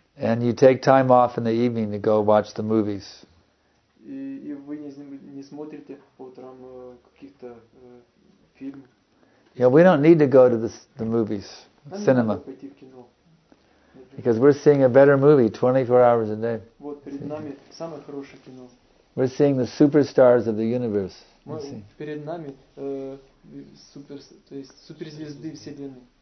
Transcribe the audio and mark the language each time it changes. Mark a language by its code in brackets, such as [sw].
[en] And you take time off in the evening to go watch the movies. [ru] И вы не смотрите по утрам каких-то фильм. [en] Yeah, we don't need to go to the movies, [ru] нам [en] cinema. [ru] Не надо пойти в кино. [en] Because we're seeing a better movie 24 hours a day. [ru] Вот перед нами самое хорошее кино. [en] We're seeing the superstars of the universe. [ru] Перед нами то есть суперзвезды вселенной.